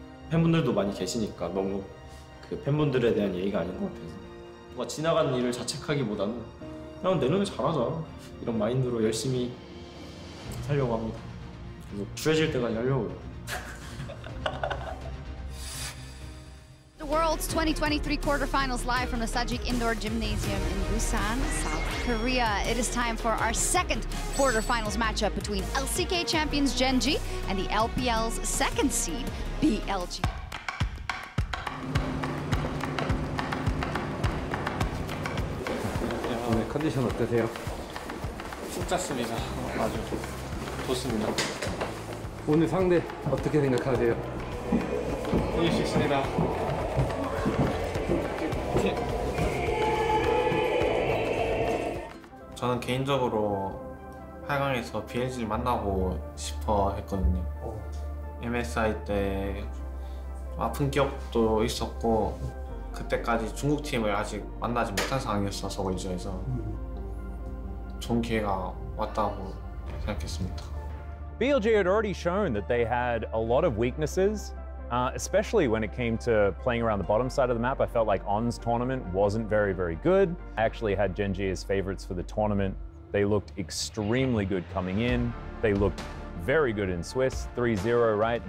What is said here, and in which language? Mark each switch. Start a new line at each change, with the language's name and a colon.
Korean: 팬분들도 많이 계시니까 너무 그 팬분들에 대한 예의가 아닌 것 같아서 뭔가 지나간 일을 자책하기보다는 그냥 내 눈에 잘하자 이런 마인드로 열심히 살려고 합니다. 계속 추해질 때까지 하려고요.
English: The World's 2023 quarterfinals live from the Sajik Indoor Gymnasium in Busan, South Korea. It is time for our second quarterfinals matchup between LCK champions Gen.G and the LPL's second seed BLG.
Korean: Condition 어떠세요? 숙잡습니다. 아주 좋습니다. 오늘 상대 어떻게 생각하세요? 이길 수 있습니다. 저는 개인적으로 8강에서 BLG를 만나고 싶어 했거든요. MSI 때 아픈 기억도 있었고 그때까지 중국 팀을 아직 만나지 못한 상황이었어서 월저에서 좋은 기회가 왔다고 생각했습니다.
English: BLG had already shown that they had a lot of weaknesses, especially when it came to playing around the bottom side of the map. I felt like ON's tournament wasn't very, very good. I actually had Gen G as favorites for the tournament. They looked extremely good coming in. They looked very good in Swiss, 3-0, right?